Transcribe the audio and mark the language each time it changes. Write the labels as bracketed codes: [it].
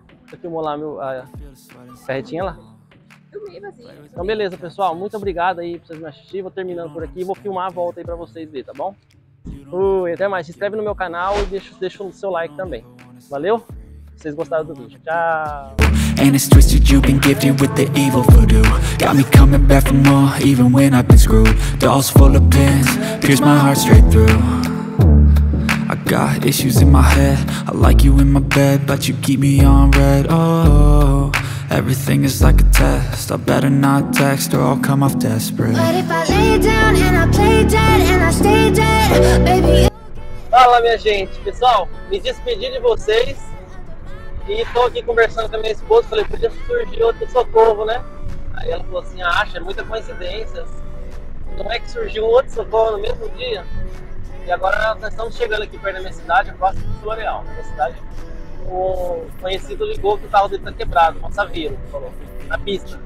[pt] Deixa eu filmar lá a carretinha lá. Então, beleza, pessoal. Muito obrigado aí por vocês me assistirem. Vou terminando por aqui. Vou filmar a volta aí pra vocês verem, tá bom? E até mais. Se inscreve no meu canal e deixa o seu like também. Valeu? Vocês gostaram do vídeo. Tchau! [en] And it's twisted, you've been gifted with the evil voodoo. Got me coming back for more, even when I've been screwed. Dolls full of pins, pierce my heart straight through. I got issues in my head, I like you in my bed. But you keep me on red. Oh, everything is like a test. I better not text or I'll come off desperate. But if I lay down and I play dead and I stay dead, baby. [pt] Fala, minha gente, pessoal, me despedi de vocês. E tô aqui conversando com a minha esposa, falei, podia surgir outro socorro, né? Aí ela falou assim, acha, é muita coincidência. Como é que surgiu um outro socorro no mesmo dia? E agora nós estamos chegando aqui perto da minha cidade, próximo de Floreal. Na minha cidade, o conhecido ligou que o carro dele tá quebrado, o Savino falou, na pista.